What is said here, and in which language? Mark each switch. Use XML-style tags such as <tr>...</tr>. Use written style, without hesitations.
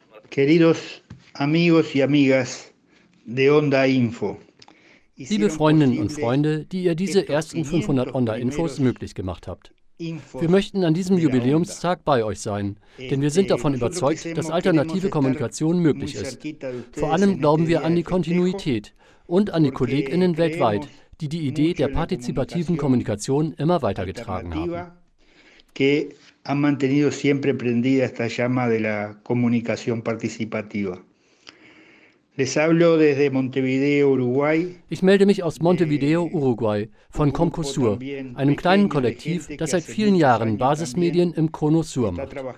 <es>Queridos amigos y amigas de Onda Info.</es> <de>Liebe Freundinnen und Freunde, die ihr diese ersten 500 Onda-Infos möglich gemacht habt. Wir möchten an diesem Jubiläumstag bei euch sein, denn wir sind davon überzeugt, dass alternative Kommunikation möglich ist. Vor allem glauben wir an die Kontinuität und an die KollegInnen weltweit, die die Idee der partizipativen Kommunikation immer weitergetragen haben.</de> <es>Que ha mantenido siempre prendida esta llama de la comunicación participativa. Les hablo desde Montevideo, Uruguay.</es> <de>Ich melde mich aus Montevideo, Uruguay, von Comcosur, einem kleinen Kollektiv, das seit vielen Jahren Basismedien im Cono Sur macht.</de>